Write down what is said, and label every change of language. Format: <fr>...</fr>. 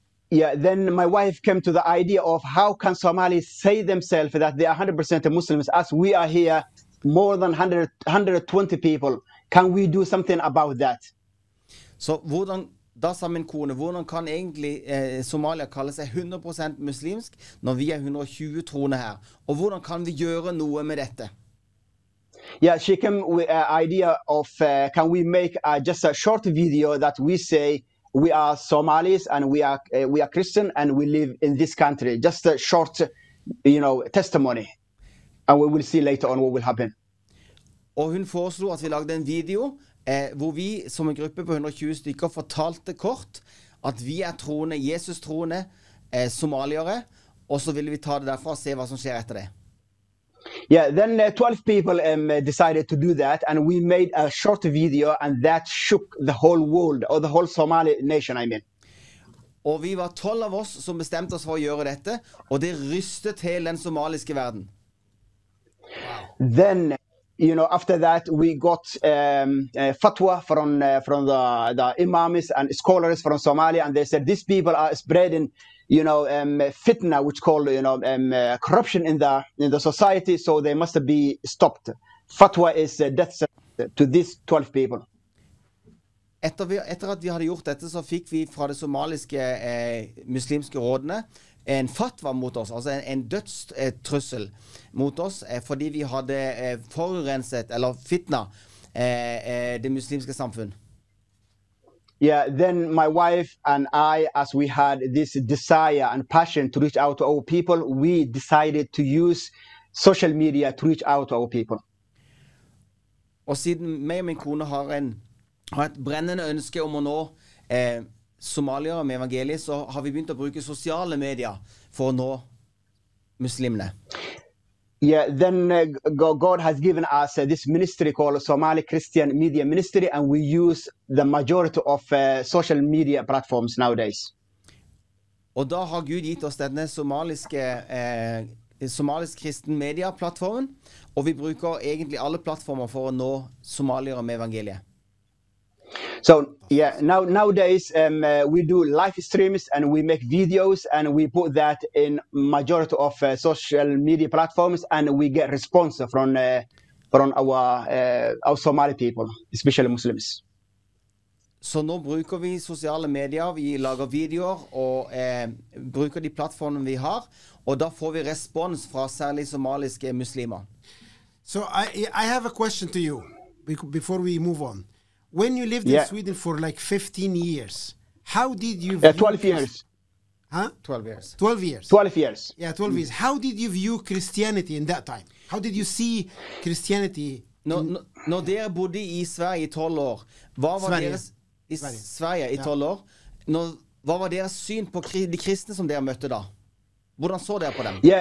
<en>Yeah, then my wife came to the idea of how can Somalis say themselves that they are 100% Muslims, as we are here more than 120 people. Can we do something about that?</en> <no>Så hvordan, da sa min kone, hvordan kan egentlig Somalia kalle seg 100% muslimsk når vi er 120 troende her? Og hvordan kan vi gjøre noe med dette?</no> <en>Yeah, she came with an idea of can we make just a short video that we say we are Somalis and we are Christian and we live in this country. Just a short, testimony. And we will see later on what will happen.</en> <no>Og hun foreslo at vi lagde en video hvor vi som en gruppe på 120 stykker fortalte kort at vi er troende, Jesus troende, somaliere, og så ville vi ta det derfra og se hva som skjer etter det.</no> <en>Yeah, then 12 people decided to do that, and we made a short video, and that shook the whole world, or the whole Somali nation, I mean.</en> <no>Og vi var 12 av oss som bestemte oss for å gjøre dette, og det rystet hele den somaliske verden.</no> <en>Then, you know, after that we got fatwa from the imams and scholars from Somalia, and they said these people are spreading, you know, fitna, which called, you know, corruption in the society, so they must be stopped. Fatwa is death sentence to these 12 people.</en> <no>Etter at vi hadde gjort dette, så fikk vi fra det somaliske muslimske rådene en fatwa mot oss, altså en dødstrussel mot oss, fordi vi hadde forurenset eller fitna det muslimske samfunn.</no> <en>Yeah, then my wife and I, as we had this desire and passion to reach out to our people, we decided to use social media to reach out to our people.</en> <no>Og siden meg og min kone har et brennende ønske om å nå somalier med evangeliet, så har vi begynt å bruke sosiale medier for å nå muslimene.</no> <en>Yeah, then God has given us this ministry called Somali Christian Media Ministry, and we use the majority of social media platforms nowadays.</en> <no>Og da har Gud gitt oss denne somalisk-kristen media-plattformen, og vi bruker egentlig alle plattformer for å nå somalier med evangeliet.</no> <en>So yeah, nowadays we do live streams and we make videos and we put that in majority of social media platforms, and we get response from our Somali people, especially Muslims.</en> <no>Så nå bruker vi sosiale medier, vi lager videoer og bruker de plattformene vi har, og da får vi respons fra særlig somaliske muslimer.</no> <en>So I have a question to you before we move on. When you lived in Sweden for like 15 years, how did you view 12 years. Huh? 12 years. 12 years. 12 years. Yeah, 12 years. How did you view Christianity in that time? How did you see Christianity?</en> <no>Når dere bodde i Sverige i 12 år, hva var deres syn på de kristne som dere møtte da? Hvordan så dere på dem?</no>